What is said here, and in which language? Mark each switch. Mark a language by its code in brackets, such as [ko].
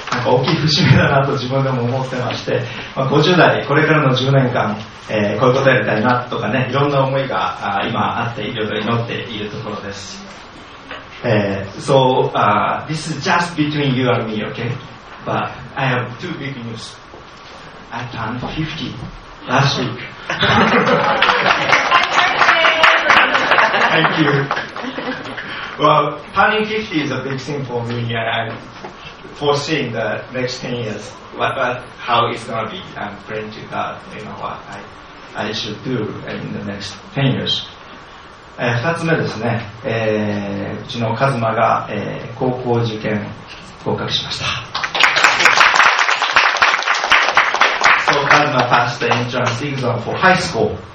[ja] 大きい節目だなと自分でも思ってまして、まあ、50代これからの10年間、こういうことやりたいなとかね、いろんな思いが今あっていろいろ祈っているところです。 [en] So this is just between you and me, okay? But I have two big news. I turned 50 last week. Thank you. Well, turning 50 is a big thing for me, andforeseeing the next 10 years, how it's going to be. I'm praying to God, you know, what I should do in the next 10 years. [ja] 2つ目ですね、うちのカズマが、高校受験合格しました。 [en] So, Kazuma passed the entrance exam for high school.